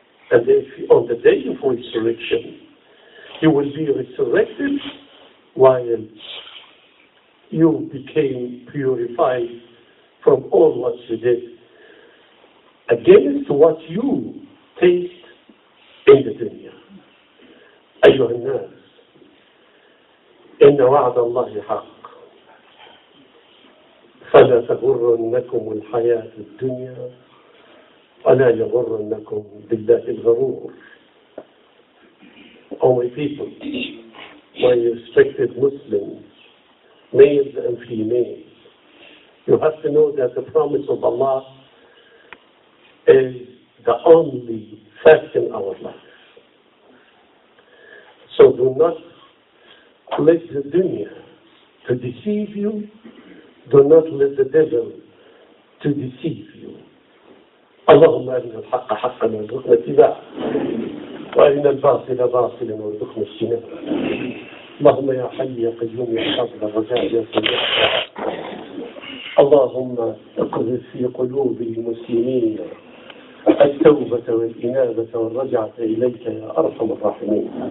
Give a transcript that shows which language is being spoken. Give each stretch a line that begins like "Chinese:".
English: And if on the day of resurrection, you will be resurrected while you became purified from all what you did. against what you taste in the dunya.
Arabic: أيها الناس إن وعد الله حق فلا تغرنكم الحياة الدنيا ولا يغرنكم بالله الغرور.
English: Oh my people, my respected Muslims, males and females, you have to know that the promise of Allah is the only fact in our life. So do not let the dunya to deceive you. Do not let the devil to deceive you.
Arabic: اللهم أرنا الحق حقا وارزقنا اتباعه وأرنا الباطل باطلا وارزقنا اجتنابه. اللهم يا حي يا قيوم يا فضل الرجاء يا سميع. اللهم اقذف في قلوب المسلمين التوبة والإنابة والرجعة إليك يا أرحم الراحمين.